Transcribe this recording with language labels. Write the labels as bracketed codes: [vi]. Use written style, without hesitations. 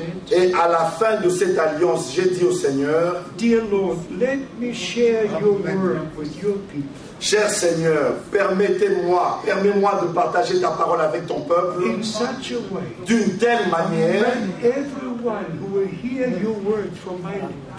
[fr] Et à la fin de cette alliance, j'ai dit au Seigneur, [en] dear Lord, let me share your word with your people. [fr] Cher Seigneur, permets-moi de partager ta parole avec ton peuple [en] in such a way, [fr] d'une telle manière [en] who will hear your word from my lips,